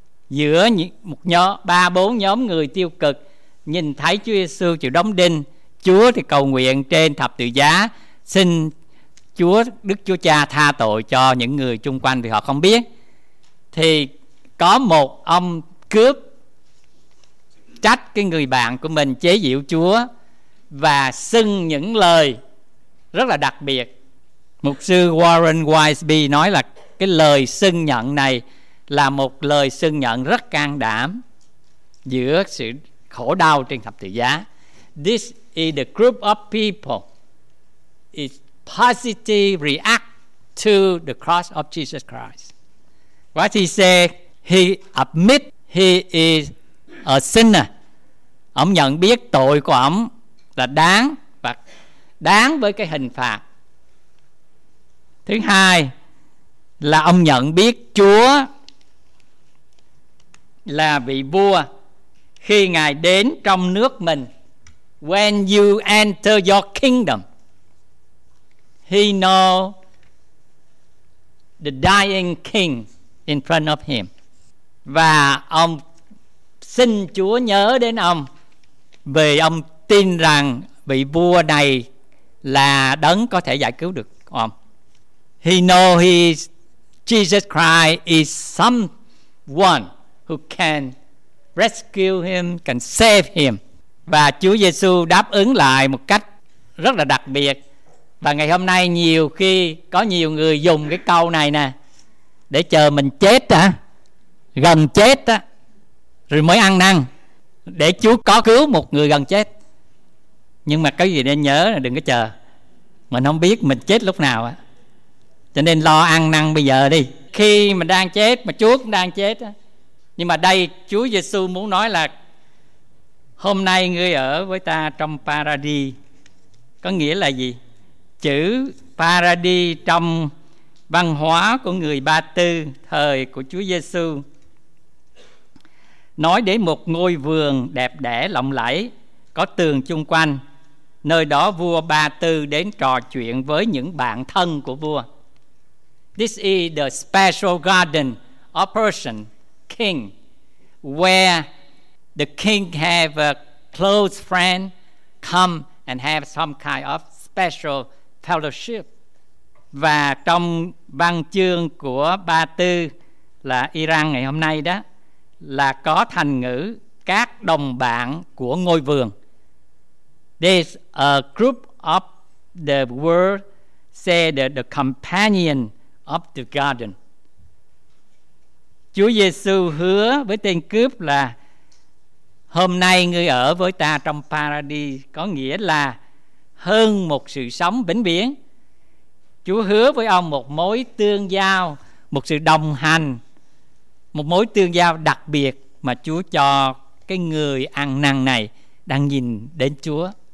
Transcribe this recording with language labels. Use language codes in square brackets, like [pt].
[vi] Giữa một ba bốn nhóm người tiêu cực nhìn thấy Chúa Giê-xu chịu đóng đinh, Chúa thì cầu nguyện trên thập tự giá xin Chúa Đức Chúa Cha tha tội cho những người chung quanh vì họ không biết, thì có một ông cướp trách cái người bạn của mình chế giễu Chúa và xưng những lời rất là đặc biệt. Mục sư Warren Wiseby nói là cái lời xưng nhận này là một lời xưng nhận rất can đảm giữa sự khổ đau trên thập tự giá. [en] This is the group of people is positive react to the cross of Jesus Christ. What he said, he admit he is a sinner. [vi] Ông nhận biết tội của ông là đáng và đáng với cái hình phạt. Thứ hai là ông nhận biết Chúa là vị vua khi Ngài đến trong nước mình. [en] When you enter your kingdom, he know the dying king in front of him. [vi] Và ông xin Chúa nhớ đến ông vì ông tin rằng vị vua này là đấng có thể giải cứu được ông. [en] He know he is, Jesus Christ is someone who can rescue him, can save him. [vi] Và Chúa Giê-xu đáp ứng lại một cách rất là đặc biệt. Và ngày hôm nay nhiều khi có nhiều người dùng cái câu này nè để chờ mình chết á, gần chết á, rồi mới ăn năn để Chúa có cứu một người gần chết. Nhưng mà cái gì nên nhớ là đừng có chờ, mình không biết mình chết lúc nào á, cho nên lo ăn năn bây giờ đi, khi mình đang chết mà Chúa cũng đang chết á. Nhưng mà đây Chúa Giê-xu muốn nói là hôm nay ngươi ở với ta trong paradis. Có nghĩa là gì? Chữ paradis trong văn hóa của người Ba Tư thời của Chúa Giê-xu nói đến một ngôi vườn đẹp đẽ lộng lẫy có tường chung quanh, nơi đó vua Ba Tư đến trò chuyện với những bạn thân của vua. [en] This is the special garden of Persian king, where the king have a close friend come and have some kind of special fellowship. [vi] Và trong văn chương của Ba Tư là Iran ngày hôm nay đó, là có thành ngữ các đồng bạn của ngôi vườn. [en] There's a group of the world said that the companion of the garden. [vi] Chúa Giê-xu hứa với tên cướp là hôm nay ngươi ở với ta trong paradis, có nghĩa là hơn một sự sống vĩnh viễn. Chúa hứa với ông một mối tương giao, một sự đồng hành, một mối tương giao đặc biệt mà Chúa cho cái người ăn năn này đang nhìn đến Chúa.